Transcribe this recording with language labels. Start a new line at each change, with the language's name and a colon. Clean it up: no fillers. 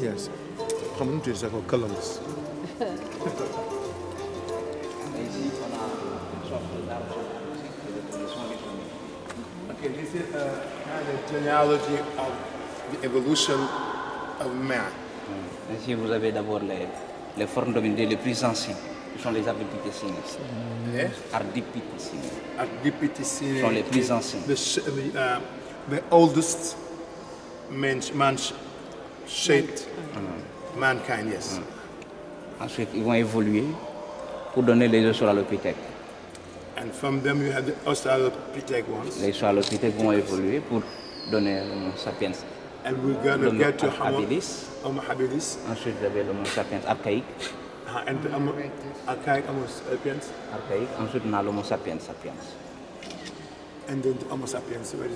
English: Yes. Community is called Columbus. Okay, this is kind of the genealogy of the evolution of man.
French: Ici, vous avez d'abord les formes dominées les plus anciennes, qui sont les ardipithécines. Ardipithécines. Ardipithécines. Qui sont les plus anciennes.
English: The oldest man-shaped mankind, yes.
French: Ensuite, ils vont évoluer pour donner les australopithèques.
English: And from them, you have the australopithèque ones.
French: Les australopithèques vont évoluer pour donner un sapiens.
English: And we're going to get to habilis. Homo habilis.
French: Ensuite, vous avez l'homo sapiens archaïque.
English: And archaïque, homo sapiens.
French: Archaïque. Ensuite, on a l'homo sapiens sapiens.
English: And then the homo sapiens.